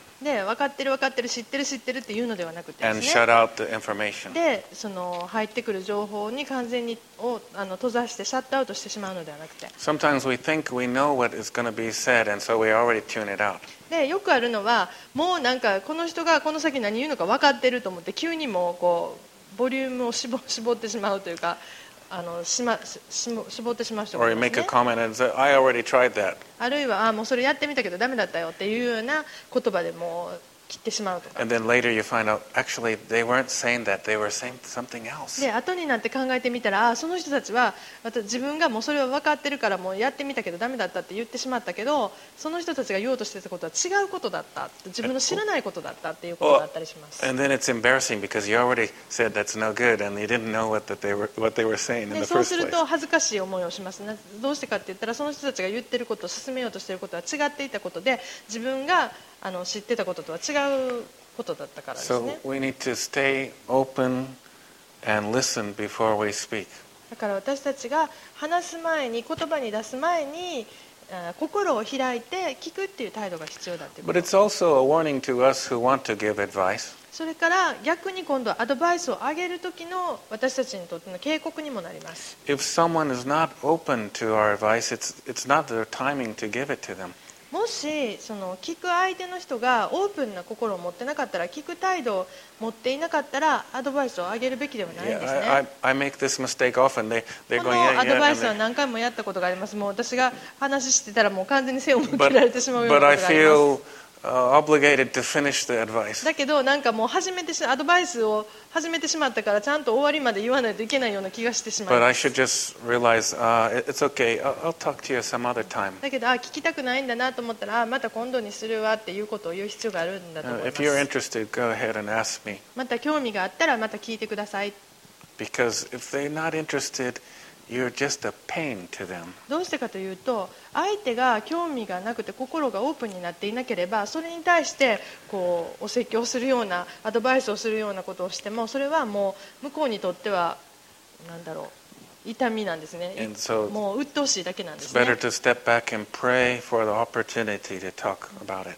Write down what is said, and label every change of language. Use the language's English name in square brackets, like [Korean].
[Japanese] で分かってる分かってる知ってる知ってるっていうのではなくてですね。 [English] And shut out the information. [Japanese] でその入ってくる情報に完全にを閉ざしてシャットアウトしてしまうのではなくて。 [English] Sometimes we think we know what is going to be said, and so we already tune it out. [Japanese] でよくあるのはもうなんかこの人がこの先何言うのか分かってると思って急にもうこうボリュームを絞ってしまうというか絞ってしまう人がいますね。 [English] I already tried that. [Japanese] あるいはもうそれやってみたけどダメだったよっていうような言葉でもう切ってしまうとか。 [English] And then later you find out, actually, they weren't saying that. They were saying something else. [Japanese] で後になって考えてみたらその人たちは自分がもうそれは分かってるからもうやってみたけどダメだったって言ってしまったけどその人たちが言おうとしてたことは違うことだった自分の知らないことだったっていうことだったりします。 [English] And then it's embarrassing because you already said that's no good and you didn't know what they were saying in the first place. [Japanese] そうすると恥ずかしい思いをします。どうしてかって言ったらその人たちが言ってることを進めようとしてることは違っていたことで自分が知ってたこととは違うことだったからですね。 [English] So we need to stay open and listen before we speak. [Japanese] だから私たちが話す前に言葉に出す前に心を開いて聞くっていう態度が必要だということ。 [English] But it's also a warning to us who want to give advice. [Japanese] それから逆に今度アドバイスをあげる時の私たちにとっての警告にもなります。 [English] If someone is not open to our advice, it's not their timing to give it to them. [Japanese] もしその聞く相手の人がオープンな心を持ってなかったら聞く態度を持っていなかったらアドバイスをあげるべきではないんですね。 [English] I make this mistake often. [Japanese] このアドバイスは何回もやったことがあります。もう私が話してたらもう完全に背を向けられてしまうようなことがあります。 [English] But I feel obligated to finish the advice. [Japanese] だけどなんかもう始めてアドバイスを始めてしまったからちゃんと終わりまで言わないといけないような気がしてしまう。 [English] But I should just realize, it's okay. I'll talk to you some other time. [Japanese] だけど聞きたくないんだなと思ったらまた今度にするわっていうことを言う必要があるんだと思います。 [English] If you're interested, go ahead and ask me. [Japanese] また興味があったらまた聞いてください。 [English] Because if they're not interested, you're just a pain to them. [Japanese] どうしてかというと相手が興味がなくて心がオープンになっていなければそれに対してこうお説教するようなアドバイスをするようなことをしてもそれはもう向こうにとっては何だろう痛みなんですね。 [English] And so, [Japanese] もう鬱陶しいだけなんですね。 [English] It's better to step back and pray for the opportunity to talk about it.